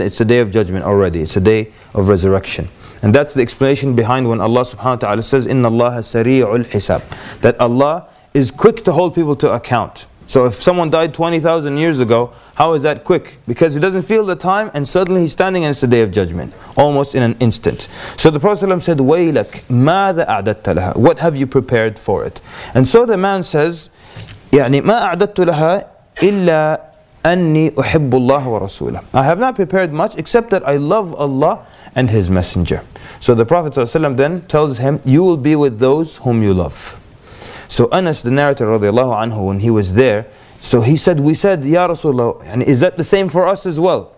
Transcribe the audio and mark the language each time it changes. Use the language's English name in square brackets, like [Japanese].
[English] It's a day of judgment already. It's a day of resurrection. And that's the explanation behind when Allah subhanahu wa ta'ala says, [Arabic] إِنَّ اللَّهَ سَرِيعُ الْحِسَابِ, [English] that Allah is quick to hold people to account. So if someone died 20,000 years ago, how is that quick? Because he doesn't feel the time, and suddenly he's standing and it's a day of judgment, almost in an instant. So the Prophet ﷺ said, [Arabic] وَيْلَكْ مَاذَا أَعْدَدْتَ لَهَا, [English] what have you prepared for it? And so the man says, [Arabic] يعني مَا أَعْدَدْتُ لَهَا إِلَّا أني أحب الله ورسوله. [English] I have not prepared much except that I love Allah and His Messenger. So the Prophet ﷺ then tells him, you will be with those whom you love. So Anas the narrator radiallahu anhu, when he was there, so he said, we said, Ya Rasulullah, and is that the same for us as well?